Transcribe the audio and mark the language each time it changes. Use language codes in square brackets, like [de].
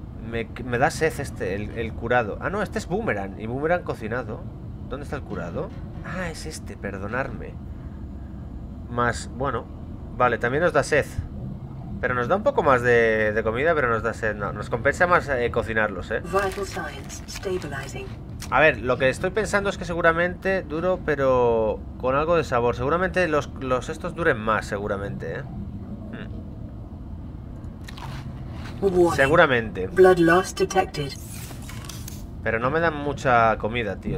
[es] Me da sed este, el curado. Ah, no, este es boomerang. Y boomerang cocinado. ¿Dónde está el curado? Ah, es este, perdonadme. Más, bueno. Vale, también nos da sed. Pero nos da un poco más de comida, pero nos da sed. No, nos compensa más cocinarlos, ¿eh? [en] Vital signs stabilizing. [es] A ver, lo que estoy pensando es que seguramente duro, pero con algo de sabor. Seguramente los estos duren más, seguramente, ¿eh? Seguramente. [en] Blood loss detected. [es] Pero no me dan mucha comida, tío.